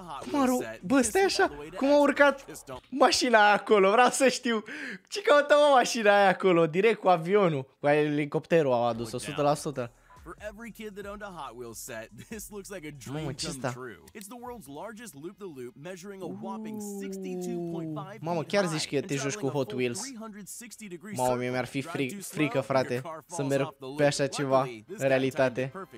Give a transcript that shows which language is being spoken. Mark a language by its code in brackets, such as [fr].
[ro] Cum a bă, stai așa, cum a urcat mașina aia acolo, vreau să știu ce căută, mă, mașina aia acolo, direct cu avionul, cu elicopterul au adus-o, 100%. [en] For every kid that owned a Hot Wheels set, this looks like a dream come true. It's the world's largest loop-the-loop, measuring a whopping 62.5 feet. [ro] Mamă, chiar zici că te joci cu Hot Wheels. Mamă, mie mi-ar fi frică, frate, să merg pe așa ceva în realitate.